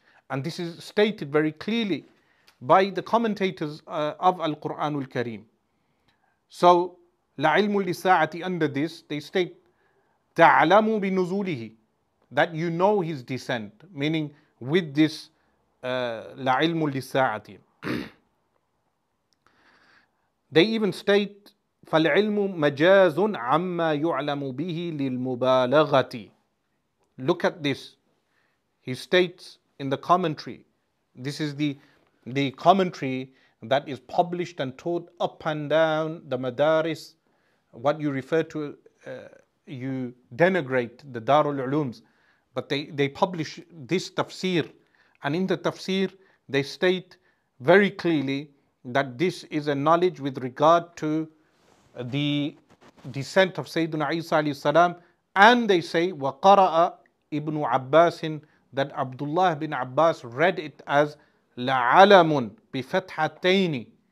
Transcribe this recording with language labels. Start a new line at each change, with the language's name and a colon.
English: And this is stated very clearly by the commentators of Al-Qur'an al-Kareem. So,
Arabic: لَعِلْمُ لِسَاعَةِ
English: under this, they state,
Arabic: تَعْلَمُ بِنُزُولِهِ,
English: that you know his descent, meaning with this لَعِلْمُ لِسَاعَةِ. They even state,
Arabic: فَالْعِلْمُ مَجَازٌ عَمَّا يُعْلَمُ بِهِ لِلْمُبَالَغَةِ.
English: Look at this. He states in the commentary, this is the commentary that is published and taught up and down the madaris, what you refer to, you denigrate the Darul Ulooms, but they publish this tafsir, and in the tafsir they state very clearly that this is a knowledge with regard to the descent of Sayyiduna Isa alayhi salam, and they say
Arabic: وَقَرَأَ إِبْنُ عَبَّاسٍ,
English: that Abdullah bin Abbas read it as
Arabic: لَعَلَمٌ بِفَتْحَتَيْنِ.